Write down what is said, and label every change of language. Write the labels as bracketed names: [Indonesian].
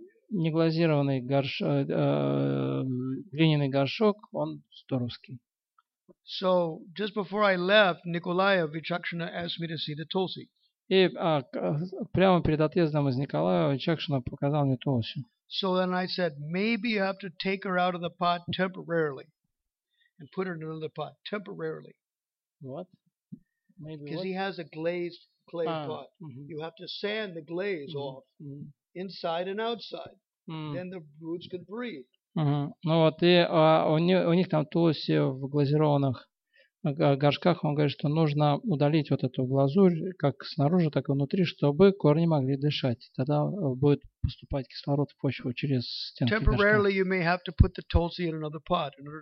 [Russian] Неглазированный глиняный горшок, он здоровский. [English] So, just before I left, Nikolaya Vichakshana asked me to see the tulsi. [Russian] И прямо перед отъездом из Николая Вичакшина показал мне тулси. [English] So then I said, maybe you have to take her out of the pot temporarily and put her in another pot temporarily. What? Because he has a glazed clay pot. Mm-hmm. You have to sand the glaze off inside and outside. Mm-hmm. Then the roots can breathe. Mm-hmm. [Russian] Ну вот, и у них там тулси в глазированных горшках. Он говорит, что нужно удалить вот эту глазурь как снаружи, так и внутри, чтобы корни могли дышать. Тогда будет поступать кислород в почву через стенки горшка.